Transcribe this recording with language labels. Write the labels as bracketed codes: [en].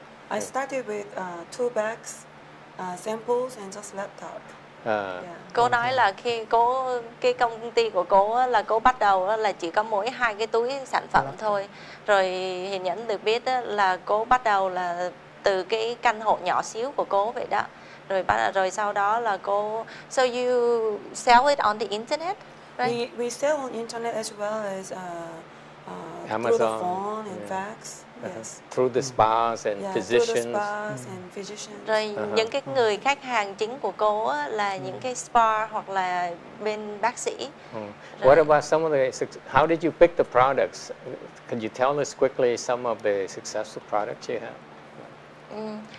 [en] I started with two bags, samples and just laptop. [vi] Cô nói là khi cô, cái công ty của cô là cô bắt đầu là chỉ có mỗi hai cái túi sản phẩm thôi. Rồi hình ảnh được biết là cô bắt đầu là từ cái căn hộ nhỏ xíu của cô vậy đó. Rồi sau đó là cô, [en] so you sell it on the internet, right? We sell on internet as well as Amazon, through the phone and fax. Yes. Through the spas and physicians. Through the spas and physicians. [vi] Rồi những cái người khách hàng chính của cô là những cái spa hoặc là bên bác sĩ. [en] What about some of the, how did you pick the products? Can you tell us quickly some of the successful products you have?